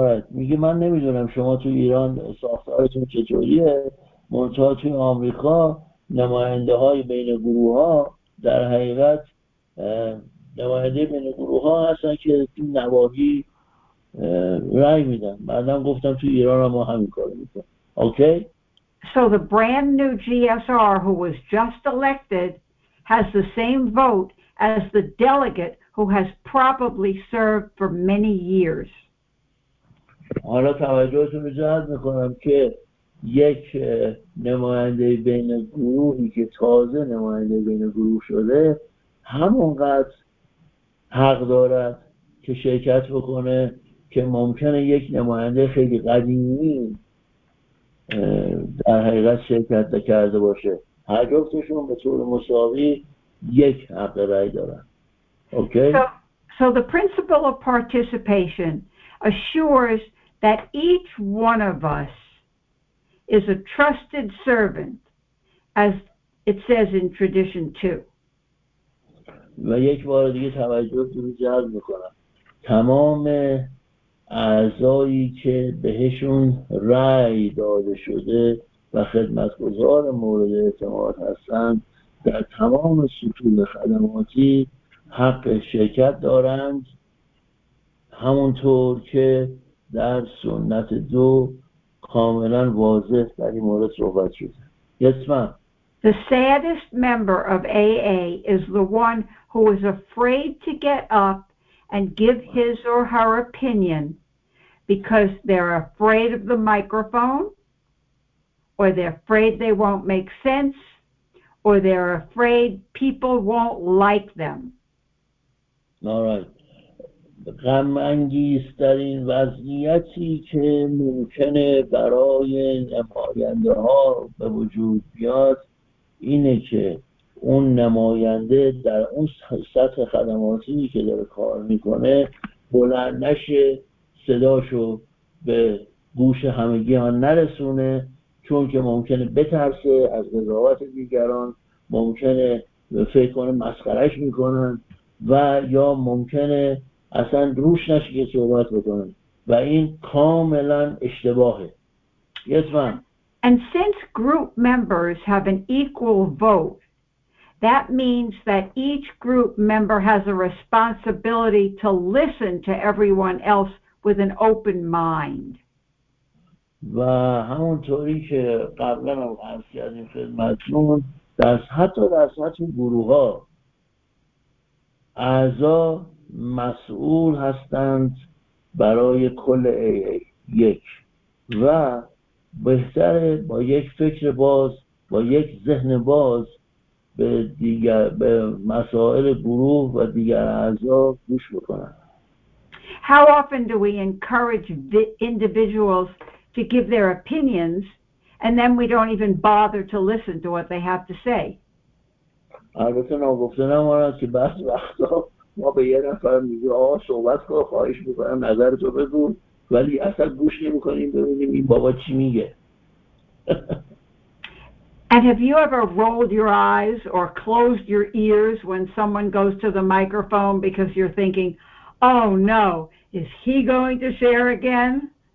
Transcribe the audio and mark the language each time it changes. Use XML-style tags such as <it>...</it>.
<fa>میگه من نمیدونم شما تو ایران ساختارتون چطوریه، منطقه توی آمریکا نماینده های بین گروه ها در حقیقت نماینده بین گروه ها هستن که تو نواحی رأی میدن. بعدم گفتم تو ایران هم همین کارو میکنن. اوکی.</fa> <en>So the brand new GSR who was just elected has the same vote as the delegate who has probably served for many years.</en> <fa>حالا توجهتون رو جلب میکنم که یک نماینده بین گروهی که تازه نماینده بین گروه شده همونقدر حق دارد که شرکت بکنه که ممکنه یک نماینده خیلی قدیمی در حقیقت شرکت کرده باشه. هر جفتشون به طور مساوی یک حق رأی دارن. اوکی.</fa> <en>So the principle of participation assures that each one of us is a trusted servant, as it says in tradition 2.</en> <fa>و یک بار دیگه توجه رو جلب میکنم، تمام اعضایی که بهشون رأی داده شده و خدمتگزار مورد اعتماد هستند در تمام سطوح خدماتی حق شرکت دارند، همونطور که در سنت دو کاملا واضح در این مورد صحبت شده.</fa> <en>Yes, ma'am. The saddest member of AA is the one who is afraid to get up and give his or her opinion because they're afraid of the microphone, or they're afraid they won't make sense, or they're afraid people won't like them. All right.</en> <fa>غم انگیزترین وضعیتی که ممکنه برای نماینده ها به وجود بیاد اینه که اون نماینده در اون سطح خدماتی که داره کار میکنه بلند نشه، صداشو به گوش همگی ها نرسونه، چون که ممکنه بترسه از قضاوت دیگران، ممکنه فکر کنه مسخرش میکنن، و یا ممکنه اصلا روش نشه که صحبت بکنن، و این کاملا اشتباهه.</fa> <en>Yes, ma'am. And since group members have an equal vote, that means that each group member has a responsibility to listen to everyone else with an open mind.</en> <fa>و همونطوری که قبلا هم عرض کردیم خدمتتون، حتی در سطح گروه ها اعضا مسئول هستند برای کل AA یک، و بهتره با یک فکر باز، با یک ذهن باز به دیگر، به مسائل گروه و دیگر اعضا گوش بکنند.</fa> <en>How often do we encourage the individuals to give their opinions and then we don't even bother to listen to what they have to say?</en> <fa>البته نگفته نماند که بعض وقتا ما به یه نفر میگه آقا صحبت کن، خواهش میکنم نظر تو بگو، ولی اصلا گوش نمی کنیم ببینیم این بابا چی میگه.</fa> <en>And have you ever rolled your eyes or closed your ears when someone goes to the microphone because you're thinking, oh no, is he going to share again?</en>